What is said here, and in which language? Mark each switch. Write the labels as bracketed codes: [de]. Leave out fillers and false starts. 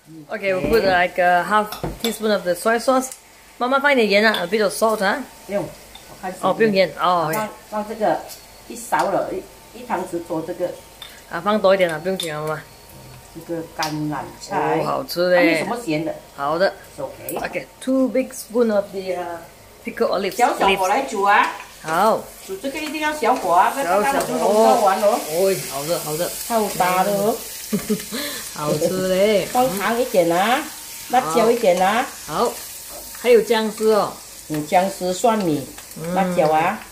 [en] Okay, we'll put like a half teaspoon of the soy sauce. [zh] 妈妈放点盐啊 [en] ，a bit of salt 啊。 [zh] 不用，我看哦，不用盐哦。放、放这个一勺了，一汤匙多这个。啊，放多一点了，不用紧啊，妈妈。这个橄榄菜。哦，好吃嘞。没什么咸的。好的。 [en] Okay. Okay, two big spoon of the pickled olives. [zh] 小小火来煮啊。好。煮这个一定要小火啊，不要让它煮红烧完喽。哦，好的，好的。好大的哦。好吃嘞！放糖一点啊，辣椒一点啊。好，还有姜丝哦。有姜丝、蒜米、辣椒啊。